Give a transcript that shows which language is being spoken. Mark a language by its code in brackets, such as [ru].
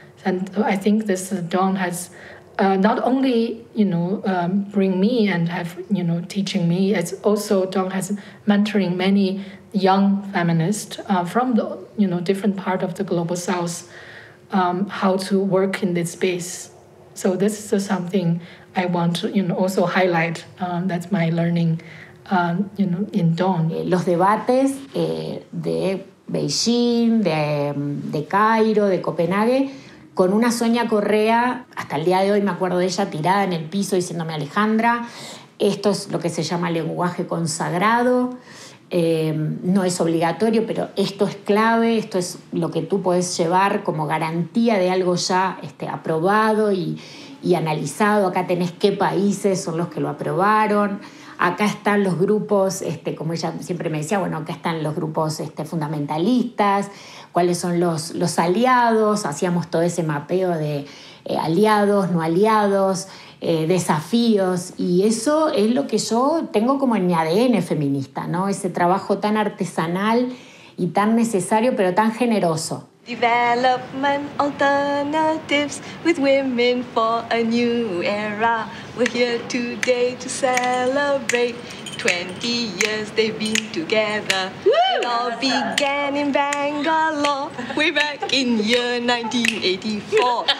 [en] And I think this Dawn has not only, you know, bring me and have, you know, teaching me, it's also Dawn has mentoring many young feminists from the, you know, different part of the global south, how to work in this space. So this is something I want to, you know, also highlight. That's my learning, you know, in Dawn. [es] Los debates de Beijing, de Cairo, de Copenhague, con una Sonia Correa, hasta el día de hoy me acuerdo de ella, tirada en el piso diciéndome, Alejandra, esto es lo que se llama lenguaje consagrado, no es obligatorio, pero esto es clave, esto es lo que tú puedes llevar como garantía de algo ya aprobado y analizado. Acá tenés qué países son los que lo aprobaron. Acá están los grupos, como ella siempre me decía, bueno, acá están los grupos fundamentalistas, cuáles son los aliados, hacíamos todo ese mapeo de aliados, no aliados, desafíos, y eso es lo que yo tengo como en mi ADN feminista, ¿no? Ese trabajo tan artesanal y tan necesario, pero tan generoso. [en] Development alternatives with women for a new era. We're here today to celebrate 20 years they've been together. Woo! It all began in Bangalore, way back in year 1984.